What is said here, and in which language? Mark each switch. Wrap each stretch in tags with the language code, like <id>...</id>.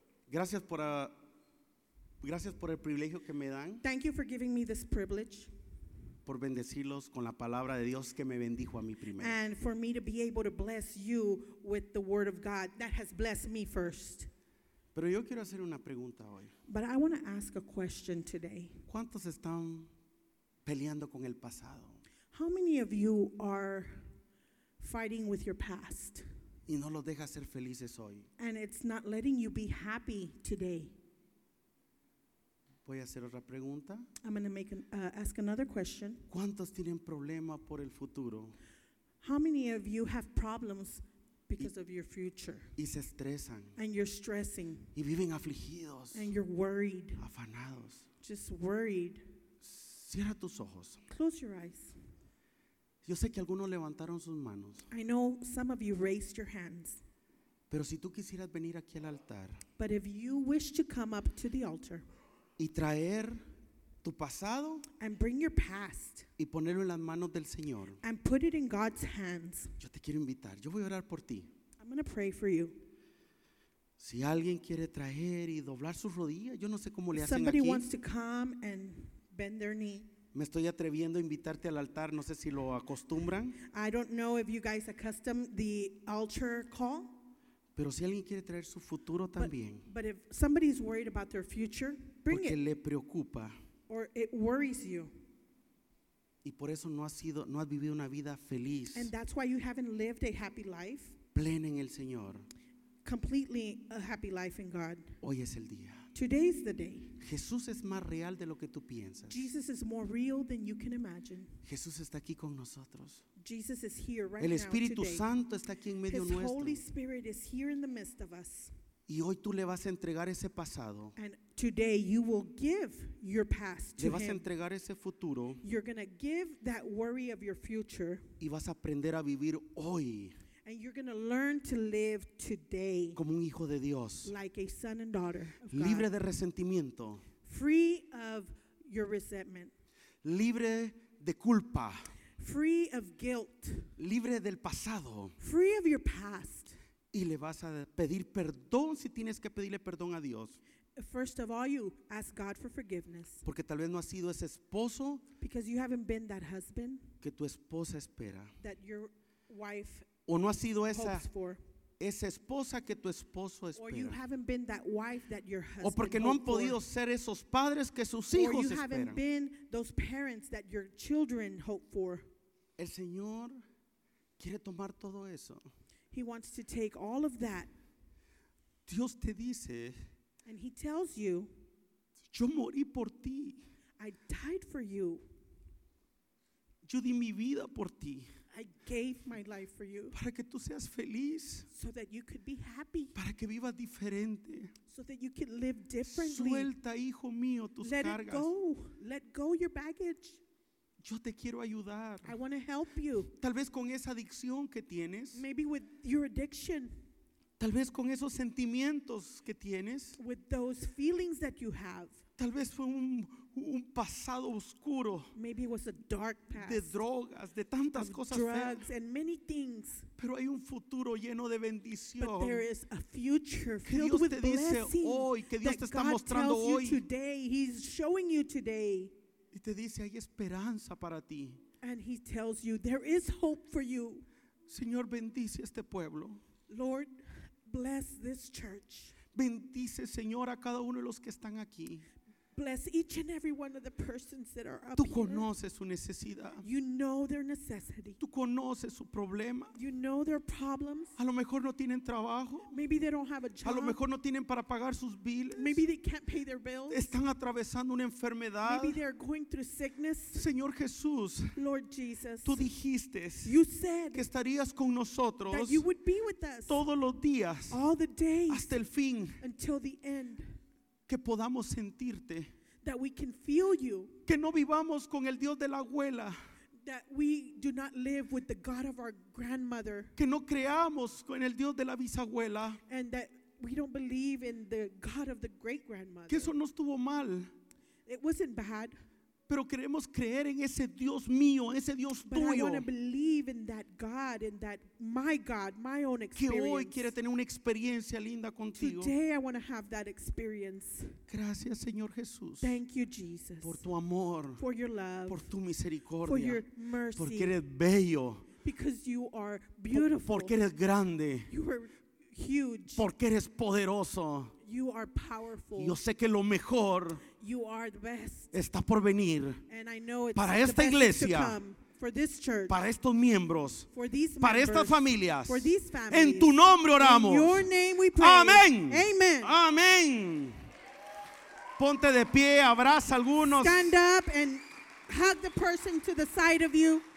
<es>Gracias por gracias por el privilegio que me dan.</es> <en>Thank you for giving me this privilege.</en> <es>Por bendecirlos con la palabra de Dios que me bendijo a mí primero.</es> <en>And for me to be able to bless you with the word of God that has blessed me first.</en> <es>Pero yo quiero hacer una pregunta hoy.</es> <en>But I want to ask a question today.</en> <es>¿Cuántos están peleando con el pasado?</es> <en>How many of you are fighting with your past?</en> <es>Y no los deja ser felices hoy.</es> <en>And it's not letting you be happy today.</en> <es>Voy a hacer otra pregunta.</es> <en>I'm going to ask another question.</en> <es>¿Cuántos tienen problema por el futuro?</es> <en>How many of you have problems because of your future?</en> <es>Y se estresan.</es> <en>And you're stressing.</en> <es>Y viven afligidos.</es> <en>And you're worried.</en> <es>Afanados.</es> <en>Just worried.</en> <es>Cierra tus ojos.</es> <en>Close your eyes.</en> <es>Yo sé que algunos levantaron sus manos.</es> <en>I know some of you raised your hands.</en> <es>Pero si tú quisieras venir aquí al altar.</es> <en>But if you wish to come up to the altar.</en> <es>Y traer tu pasado.</es> <en>And bring your past.</en> <es>Y ponerlo en las manos del Señor.</es> <en>And put it in God's hands.</en> <es>Yo te quiero invitar. Yo voy a orar por ti.</es> <en>I'm going to pray for you.</en> <es>Si alguien quiere traer y doblar sus rodillas, yo no sé cómo le hacen</es> <en>somebody</en> <es>aquí.</es> <en>Somebody wants to come and bend their knee.</en> <es>Me estoy atreviendo a invitarte al altar. No sé si lo acostumbran.</es> <en>I don't know if you guys accustom the altar call.</en> <es>Pero si alguien quiere traer su futuro también.</es> <en>But if somebody is worried about their future, bring</en> <es>porque</es> <en>it.</en> <es>Le preocupa.</es> <en>Or it worries you.</en> <es>Y por eso no has vivido una vida feliz.</es> <en>And that's why you haven't lived a happy life.</en> <es>Plena en el Señor.</es> <en>Completely a happy life in God.</en> <es>Hoy es el día.</es> <en>Today is the day.</en> <es>Jesús es más real de lo que tú piensas.</es> <en>Jesus is more real than you can imagine.</en> <es>Jesús está aquí con nosotros.</es> <en>Jesus is here right now.</en> <es>El Espíritu Santo está aquí en medio nuestro.</es> <en>His Holy Spirit is here in the midst of us.</en> <es>Y hoy tú le vas a entregar ese pasado.</es> <en>And today you will give your past to him.</en> <es>Le vas a entregar ese futuro.</es> <en>You're going to give that worry of your future.</en> <es>Y vas a aprender a vivir hoy.</es> <en>And you're going to learn to live today</en> <es>como un hijo de Dios.</es> <en>Like a son and daughter of</en> <es>libre</es> <en>God.</en> <es>De resentimiento.</es> <en>Free of your resentment.</en> <es>Libre de culpa.</es> <en>Free of guilt.</en> <es>Libre del pasado.</es> <en>Free of your past.</en> <es>Y le vas a pedir perdón si tienes que pedirle perdón a Dios.</es> <en>First of all, you ask God for forgiveness.</en> <es>Porque tal vez no has sido ese esposo.</es> <en>Because you haven't been that husband.</en> <es>Que tu esposa espera.</es> <en>That your wife</en> <es>o no ha sido esa esposa que tu esposo espera.</es> <en>Or you haven't been that wife that your husband</en> <es>o porque no han podido</es> <en>for.</en> <es>Ser esos padres que sus hijos</es> <en>or you</en> <es>esperan.</es> <en>Haven't been those parents that your children hope for.</en> <es>El Señor quiere tomar todo eso.</es> <en>He wants to take all of that.</en> <es>Dios te dice.</es> <en>And he tells you.</en> <es>Yo morí por ti.</es> <en>I died for you.</en> <es>Yo di mi vida por ti.</es> <en>I gave my life for you.</en> <es>Para que tú seas feliz.</es> <en>So that you could be happy.</en> <es>Para que vivas diferente.</es> <en>So that you could live differently.</en> <es>Suelta, hijo mío, tus</es> <en>let</en> <es>cargas.</es> <en>It go. Let go your baggage.</en> <es>Yo te quiero ayudar.</es> <en>I want to help you.</en> <es>Tal vez con esa adicción que tienes.</es> <en>Maybe with your addiction.</en> <es>Tal vez con esos sentimientos que tienes.</es> <en>With those feelings that you have.</en> <es>Tal vez fue un pasado oscuro.</es> <en>Maybe it was a dark past.</en> <es>De drogas, de tantas cosas feas.</es> <en>Drugs and many things.</en> <es>Pero hay un futuro lleno de bendición.</es> <en>But there is a future filled with blessing.</en> <es>Que Dios te dice hoy, que Dios te está mostrando hoy.</es> <en>That God tells you today, he's showing you today.</en> <es>Y te dice, hay esperanza para ti.</es> <en>And he tells you, there is hope for you.</en> <es>Señor, bendice este pueblo.</es> <en>Lord, bless this church.</en> <es>Bendice, Señor, a cada uno de los que están aquí.</es> <en>Bless each and every one of the persons that are up here.</en> <es>Tú conoces su necesidad.</es> <en>You know their necessity.</en> <es>Tú conoces su problema.</es> <en>You know their problems.</en> <es>A lo mejor no tienen trabajo.</es> <en>Maybe they don't have a job.</en> <es>A lo mejor no tienen para pagar sus</es> <en>bills. Maybe they can't pay their bills.</en> <es>Están atravesando una enfermedad.</es> <en>Maybe they're going through sickness.</en> <es>Señor Jesús,</es> <en>Lord Jesus,</en> <es>tú dijiste,</es> <en>you said,</en> <es>que estarías con nosotros,</es> <en>that you would be with us,</en> <es>todos los días,</es> <en>all the days,</en> <es>hasta el fin,</es> <en>until the end.</en> <es>Que podamos sentirte.</es> <en>That we can feel you.</en> <es>Que no vivamos con el Dios de la abuela.</es> <en>That we do not live with the God of our grandmother.</en> <es>Que no creamos con el Dios de la bisabuela.</es> <en>And that we don't believe in the God of the great grandmother.</en> <es>Que eso no estuvo mal.</es> <en>It wasn't bad.</en> <es>Pero queremos creer en ese Dios mío, ese Dios tuyo.</es> <en>But I want to believe in that God, in that my God, my own experience.</en> <es>Que hoy quiere tener una experiencia linda contigo.</es> <en>Today I want to have that experience.</en> <es>Gracias, Señor Jesús.</es> <en>Thank you, Jesus.</en> <es>Por tu amor.</es> <en>For your love.</en> <es>Por tu misericordia.</es> <en>For your mercy.</en> <es>Porque eres bello.</es> <en>Because you are beautiful.</en> <es>Porque eres grande.</es> <en>You are huge.</en> <es>Porque eres poderoso.</es> <en>You are powerful.</en> <es>Yo sé que lo mejor,</es> <en>you are the best,</en> <es>está por venir.</es> <en>And I know it's</en> <es>para esta iglesia,</es> <en>for this church,</en> <es>para estos miembros,</es> <en>for these members,</en> <es>para estas familias.</es> <en>For these families.</en> <es>En tu nombre oramos.</es> <en>In your name we pray.</en> <es>Amén.</es> <en>Amen.</en> <es>Amén. Ponte de pie, abraza algunos.</es> <en>Stand up and hug the person to the side of you.</en>